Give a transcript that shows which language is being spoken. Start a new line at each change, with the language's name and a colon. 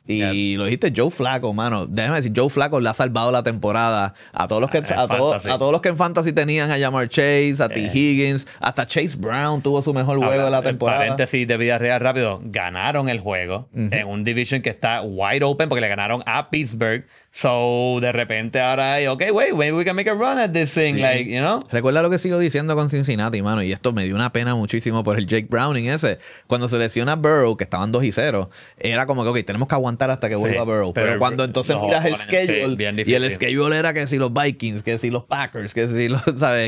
Spanish: Y lo dijiste, Joe Flacco, mano. Déjame decir, Joe Flacco le ha salvado la temporada a todos los que en fantasy tenían a Jamar Chase, a T. Higgins, hasta Chase Brown tuvo su mejor juego de la temporada. Paréntesis de vida real rápido, ganaron el juego en un division que está wide open porque le ganaron a Pittsburgh.
English: So,
Spanish: de repente ahora hay,
English: okay, wait, maybe we can make a run at this thing, like, you know?
Spanish: Recuerda lo que sigo diciendo con Cincinnati, mano, y esto me dio una pena muchísimo por el Jake Browning ese. Cuando se lesiona Burrow, que estaban 2-0, era como que, okay, tenemos que aguantar hasta que vuelva Burrow. Pero cuando entonces miras el schedule, y el schedule era que si los Vikings, que si los Packers, que si los, ¿sabes?